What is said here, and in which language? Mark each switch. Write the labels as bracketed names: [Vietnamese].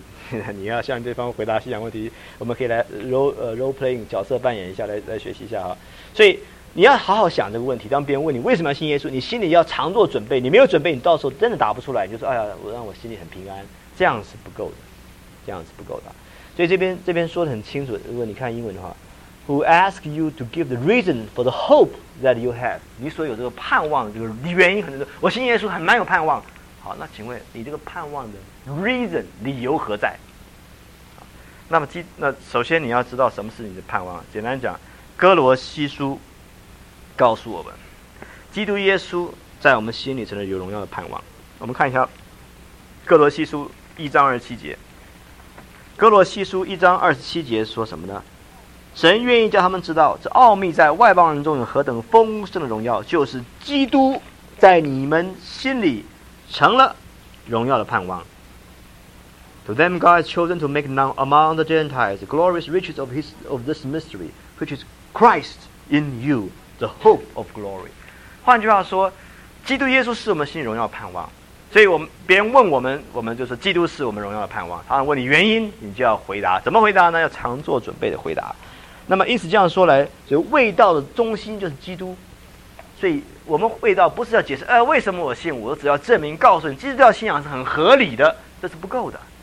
[Chinese] 这个你要向对方回答信仰问题，我们可以来 role playing 角色扮演一下，来学习一下哈。所以你要好好想这个问题，当别人问你为什么要信耶稣，你心里要常做准备。你没有准备，你到时候真的答不出来，你就说哎呀，我让我心里很平安，这样是不够的，这样是不够的。所以这边说得很清楚，如果你看英文的话 ， [English] Who ask you to give the reason for the hope that you have？ [Chinese] 你所有这个盼望，这个原因很多。我信耶稣还蛮有盼望。好，那请问你这个盼望的 reason 理由何在？那首先你要知道什么是你的盼望。简单讲，哥罗西书告诉我们，基督耶稣在我们心里成了有荣耀的盼望。我们看一下哥罗西书一章二十七节。哥罗西书一章二十七节说什么呢？神愿意叫他们知道这奥秘在外邦人中有何等丰盛的荣耀，就是基督在你们心里成了荣耀的盼望。 [English] To them God has chosen to make known among the Gentiles the glorious riches of this mystery, which is Christ in you, the hope of glory. [Chinese] 换句话说，基督耶稣是我们心里荣耀的盼望。所以我们别人问我们，我们就说基督是我们荣耀的盼望。他问你原因，你就要回答。怎么回答呢？要常做准备的回答。那么意思这样说来，所以卫道的中心就是基督。所以我们卫道不是要解释，为什么我信？我只要证明告诉你，基督教信仰是很合理的，这是不够的。